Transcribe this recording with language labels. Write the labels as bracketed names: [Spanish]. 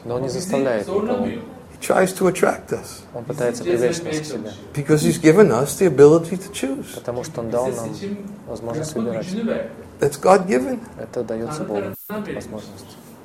[Russian] Но он не заставляет никого. [English] He tries to attract us. [Russian] Он пытается привлечь нас к себе. [English] Because he's given us the ability to choose. [Russian] Потому что он дал нам возможность выбирать. [English] That's God given. [Russian] Это дается Богу возможность.